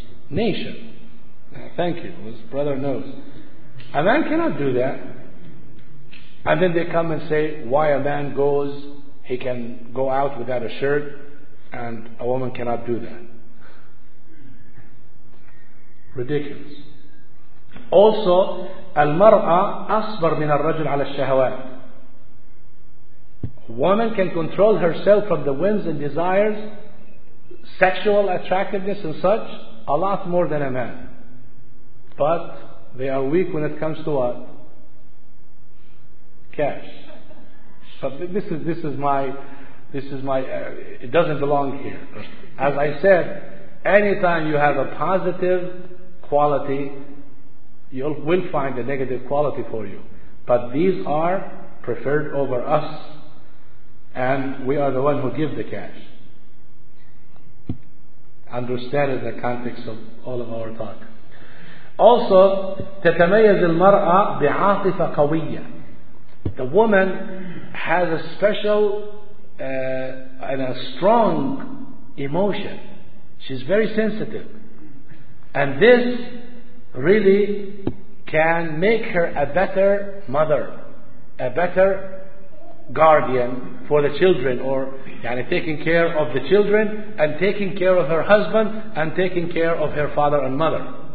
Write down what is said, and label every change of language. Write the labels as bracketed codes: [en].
[en] Nation. Thank you. His brother knows. A man cannot do that. And then they come and say, why a man goes, he can go out without a shirt, and a woman cannot do that. Ridiculous. [ar] Also, المرأة أصبر من الرجل على الشهوات. [en] Woman can control herself from the whims and desires, sexual attractiveness and such, a lot more than a man. But they are weak when it comes to what? Cash. But this is my it doesn't belong here. As I said, anytime you have a positive quality, you will find a negative quality for you. But these are preferred over us, and we are the one who give the cash. Understand in the context of all of our talk. [ar] Also, تتميز المرأة بعاطفة قوية. [en] The woman has a special and a strong emotion. She's very sensitive. And this really can make her a better mother, a better guardian for the children, or يعني taking care of the children and taking care of her husband and taking care of her father and mother.